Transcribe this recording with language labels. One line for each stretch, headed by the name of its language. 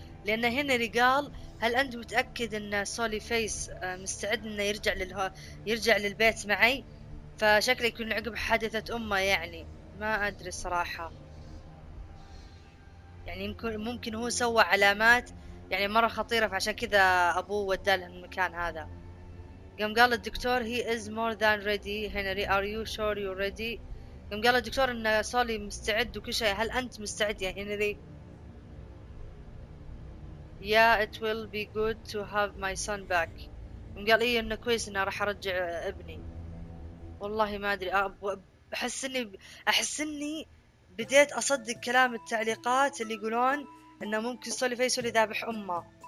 Arabic: لأن هنا اللي قال هل أنت متأكد إن سولي فيس مستعد إنه يرجع للبيت معي؟ فشكله يكون عقب حادثة أمه، يعني ما أدري صراحة، يعني ممكن هو سوى علامات يعني مرة خطيرة، فعشان كذا أبوه وداه المكان هذا. قام قال الدكتور
English: he is more than ready Henry are you sure you're ready.
Arabic: يوم قال الدكتور ان سولي مستعد وكل شيء، هل انت مستعد يا هنري؟
English: Yeah, it will be good to have my son back.
Arabic: يوم قال ايه انه كويس انه راح ارجع ابني. والله ما ادري، احس اني بديت اصدق كلام التعليقات اللي يقولون انه ممكن سولي فيس سولي ذابح امه.